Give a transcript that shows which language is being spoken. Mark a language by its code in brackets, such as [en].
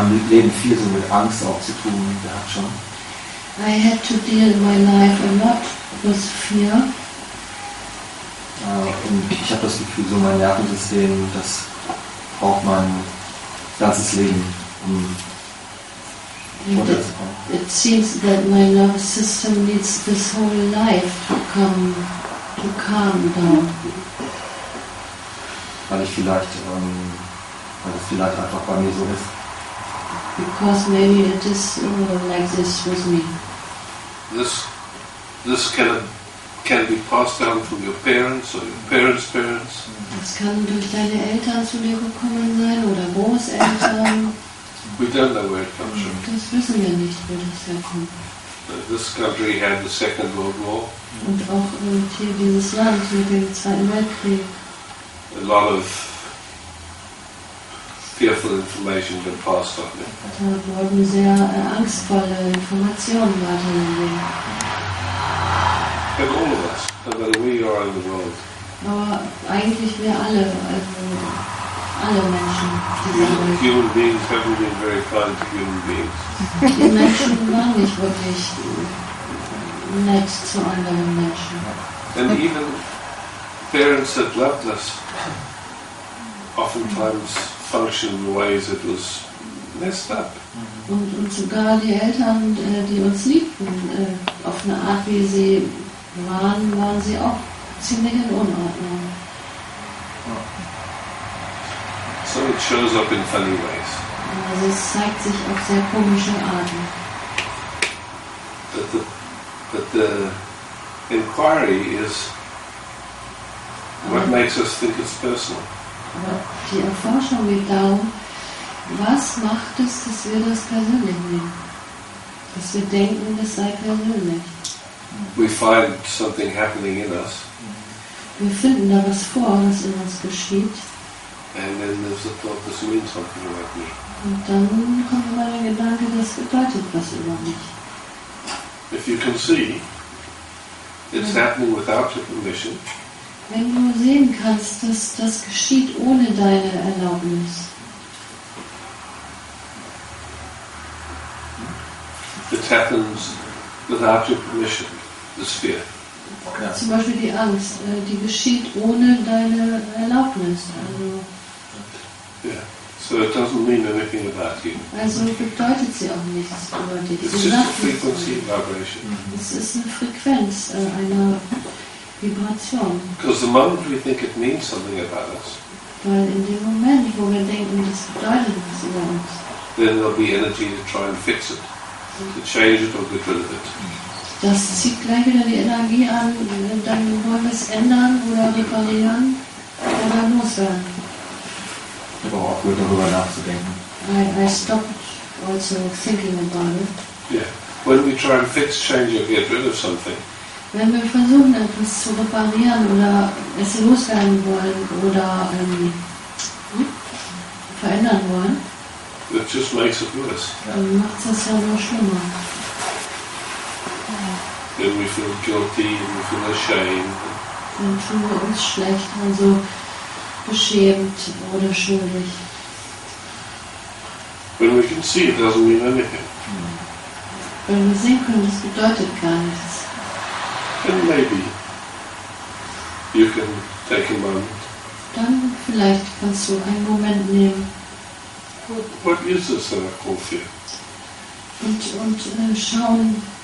[de] Leben viel so mit Angst auch zu tun gehabt schon. [en] I had to deal my life a lot with fear. [de] Und ich habe das Gefühl, so mein Nervensystem, das braucht mein ganzes Leben, [en] It seems that my nervous system needs this whole life to come to calm down. [de] Weil es vielleicht einfach bei mir so ist. [en] Because maybe it is like this with me. This can be passed down from your parents or your parents' parents. [de] Das kann durch deine Eltern zu dir gekommen sein oder Großeltern. [en] We don't know where it comes from. [de] Das wissen wir nicht, wo das herkommt. [en] This country had the Second World War. [de] Und auch hier dieses Land mit dem Zweiten Weltkrieg. [en] A lot of fearful information been passed on. [de] Da wurden sehr angstvolle Informationen weitergegeben. [en] But all of us, whether we are in the world. [de] Aber eigentlich wir alle, also alle Menschen. [en] Human beings haven't been very kind to human beings. [de] Die Menschen waren nicht wirklich nett zu anderen Menschen. [en] And even parents that loved us oftentimes function in ways it was messed up. [de] Und sogar die Eltern, die uns liebten, auf eine Art wie sie waren sie auch ziemlich in Unordnung. [en] So it shows up in funny ways. [de] Also es zeigt sich auf sehr komische Arten. [en] But the inquiry is what makes us think it's personal. [de] Aber die Erforschung geht darum, was macht es, dass wir das persönlich nehmen? Dass wir denken, das sei persönlich. [en] We find something happening in us. [de] Wir finden da was vor, was in uns geschieht. [en] And then there's the thought, this means something about me. [de] Und dann kommt immer der Gedanke, das bedeutet was über mich. [en] If you can see, it's happening without your permission. [de] Wenn du sehen kannst, dass das geschieht ohne deine Erlaubnis. [en] It happens without your permission, this fear. [de] Zum Beispiel die Angst, die geschieht ohne deine Erlaubnis. Also, [en] so it doesn't mean anything about you. [de] Also bedeutet sie auch nichts über dich. [en] It's just a frequency of vibration. [de] Es ist eine Frequenz einer Vibration. [en] Because the moment we think it means something about us, [de] weil in dem Moment, wo wir denken, das bedeutet was über uns, [en] then there'll be energy to try and fix it, to change it or get rid of it. [de] Das zieht gleich wieder die Energie an, dann wollen wir es ändern oder reparieren oder loswerden. Ich habe auch gut darüber nachzudenken. [en] I stopped also thinking about it. Yeah. When we try and fix, change or get rid of something. [de] Wenn wir versuchen, etwas zu reparieren oder es loswerden wollen oder verändern wollen, [en] it just makes it worse. [de] Dann macht es ja nur schlimmer. [en] Then we feel guilty and we feel ashamed. [de] Dann fühlen wir uns schlecht, also beschämt oder schuldig. [en] When we can see, it doesn't mean anything. [de] Wenn wir sehen können, das bedeutet gar nichts. [en] Then maybe you can take a moment. [de] Dann vielleicht kannst du einen Moment nehmen. [en] What is this that I call fear? [de] Und schauen.